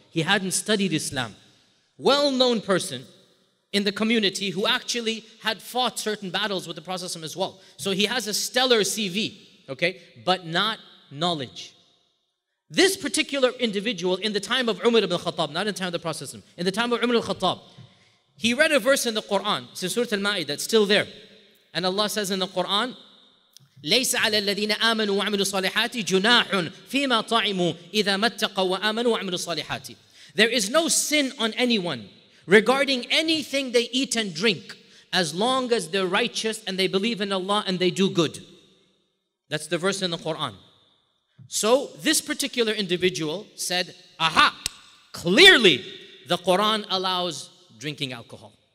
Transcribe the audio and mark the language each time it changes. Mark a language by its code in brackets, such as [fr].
[en] He hadn't studied Islam. Well-known person in the community who actually had fought certain battles with the Prophet as well. So he has a stellar CV, okay, but not knowledge. This particular individual in the time of Umar ibn al-Khattab, not in the time of the Prophet, in the time of Umar al-Khattab, he read a verse in the Quran, it's in Surah Al-Ma'idah, it's still there. And Allah says in the Quran, [ar] لَيْسَ عَلَى الَّذِينَ آمَنُوا وَعَمِلُوا صَالِحَاتِ جُنَاحٌ فِي مَا طَعِمُوا إِذَا مَتَّقَوا وَآمَنُوا وَعَمِلُوا صَالِحَاتِ. [en] There is no sin on anyone regarding anything they eat and drink as long as they're righteous and they believe in Allah and they do good. That's the verse in the Quran. So this particular individual said, aha, clearly the Quran allows drinking alcohol.